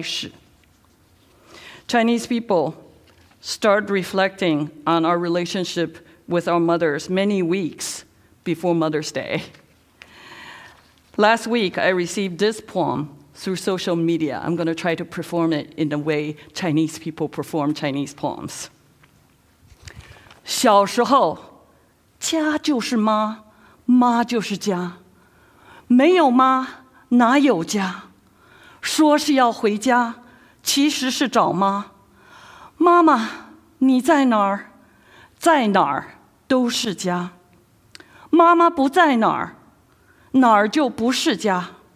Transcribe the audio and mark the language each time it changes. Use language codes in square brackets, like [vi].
[zh] 从我们与母亲的关系之中，我们开始学习爱，也从母爱的起点，让我们认识爱的模样。我们能认识神的爱，一样从要从认识母亲的爱开始。 [en] Chinese people start reflecting on our relationship with our mothers many weeks before Mother's Day. Last week, I received this poem through social media. I'm going to try to perform it in the way Chinese people perform Chinese poems. [zh] 小时候，家就是妈，妈就是家。没有妈，哪有家？说是要回家，其实是找妈。妈妈，你在哪儿？在哪儿都是家。妈妈不在哪儿，哪儿就不是家。